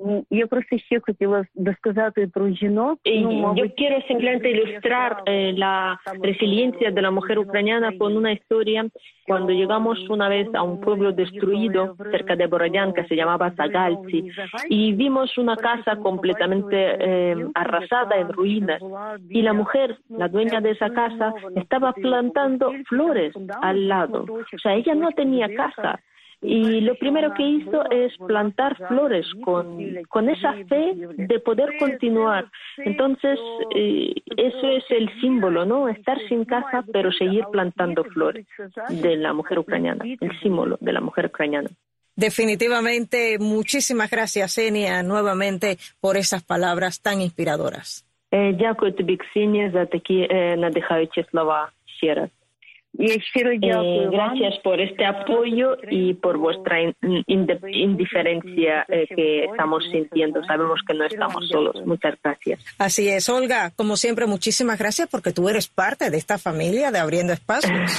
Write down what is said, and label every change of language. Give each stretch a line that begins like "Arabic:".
Ukrainian: Я просто ще хотіла досказати про жінок. Я хочу
Spanish: simplemente ilustrar la resiliencia de la mujer ucraniana con una historia. Cuando llegamos una vez a un pueblo destruido cerca de Borodyanka, se llamaba Zagalci, y vimos una casa completamente arrasada en ruinas, y la mujer, la dueña de esa casa, estaba plantando flores al lado. O sea, ella no tenía casa. Y lo primero que hizo es plantar flores con esa fe de poder continuar. Entonces, eso es el símbolo, ¿no? Estar sin casa, pero seguir plantando flores de la mujer ucraniana, el símbolo de la mujer ucraniana. Definitivamente, muchísimas gracias, Xenia, nuevamente por esas palabras tan inspiradoras.
Ukrainian: Дякую тобі, Ксенія, за такі надихаючі слова ще раз.
Spanish: Gracias por este apoyo y por vuestra indiferencia que estamos sintiendo. Sabemos que no estamos solos. Muchas gracias. Así es, Olga. Como siempre, muchísimas gracias porque tú eres parte de esta familia de Abriendo Espacios.